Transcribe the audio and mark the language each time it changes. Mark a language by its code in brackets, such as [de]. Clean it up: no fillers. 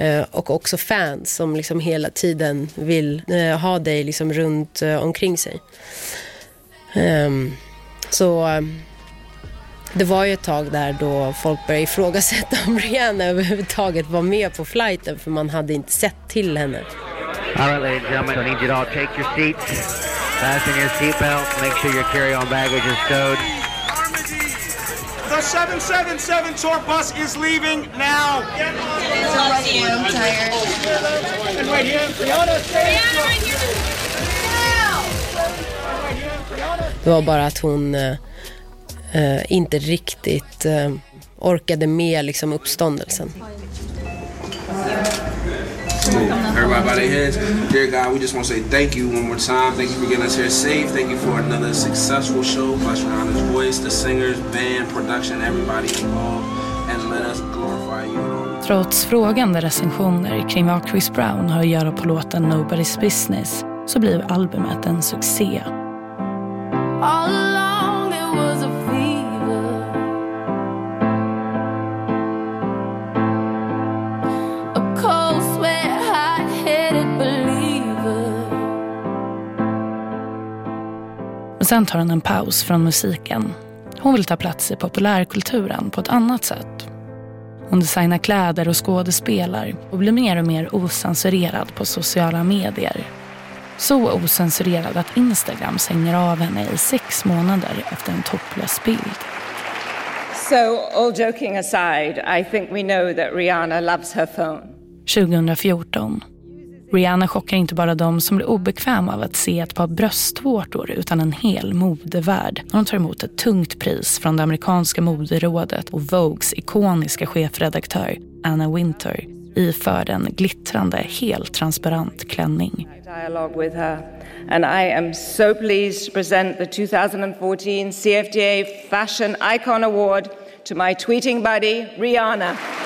[sv] Och också fans som liksom hela tiden vill ha dig liksom runt omkring sig. Så det var ju ett tag där då folk började ifrågasätta om Rihanna överhuvudtaget var med på flighten, för man hade inte sett till henne. [en] All right, ladies and gentlemen, I need you to all take your seats. Fasten your seatbelt. Make sure your carry-on baggage is stowed. The 777 tour bus is leaving now. It's all right, I'm tired. And right here, Rihanna, stay. Rihanna, right here. [sv] Det var bara att hon inte riktigt orkade med liksom uppståndelsen. [en] Everybody here, dear God, we just want to say thank you one more time. Thank you for getting us here safe. Thank you for another successful show. Plus Rihanna's voice, the singers, band, production, everybody involved, and let us glorify you. [sv] Trots frågande recensioner kring vad Chris Brown har att göra på låten Nobody's Business, så blev albumet en succé. [en] All along there was a fever. A cold sweat, hot-headed believer. [sv] Sen tar hon en paus från musiken. Hon vill ta plats i populärkulturen på ett annat sätt. Hon designar kläder och skådespelar och blir mer och mer osensurerad på sociala medier. Så osensurerad att Instagram sänger av henne i 6 månader efter en topless bild. [en] So, all joking aside, I think we know that Rihanna loves her phone. [sv] 2014. Rihanna chockar inte bara de som blir obekväma av att se ett par bröstvårtor, utan en hel modevärld, när hon tar emot ett tungt pris från det amerikanska moderådet och Vogues ikoniska chefredaktör Anna Wintour, iför en glittrande, helt transparent klänning. [en] Dialogue with her, and I am so pleased to present the 2014 CFDA Fashion Icon Award to my tweeting buddy Rihanna.